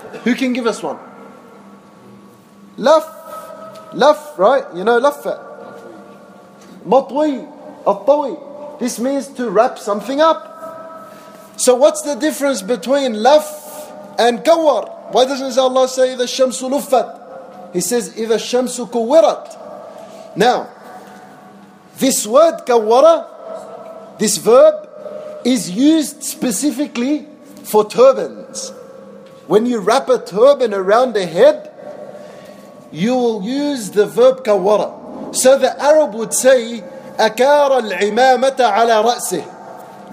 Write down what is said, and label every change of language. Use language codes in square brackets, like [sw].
[en] Who can give us one? Laf. Laf, right? You know, lafa. Matwi. Attawi. This means to wrap something up. So what's the difference between laf and kawar? Why doesn't Allah say, [ar] إِذَا الشَّمْسُ لُفَّتْ? [en] He says, [ar] إِذَا الشَّمْسُ كُوِّرَتْ. [en] Now, this word kawara, this verb, is used specifically for turbans. When you wrap a turban around a head, you will use the verb kawara. So the Arab would say, [ar] akara al-imamata ala ra'sih.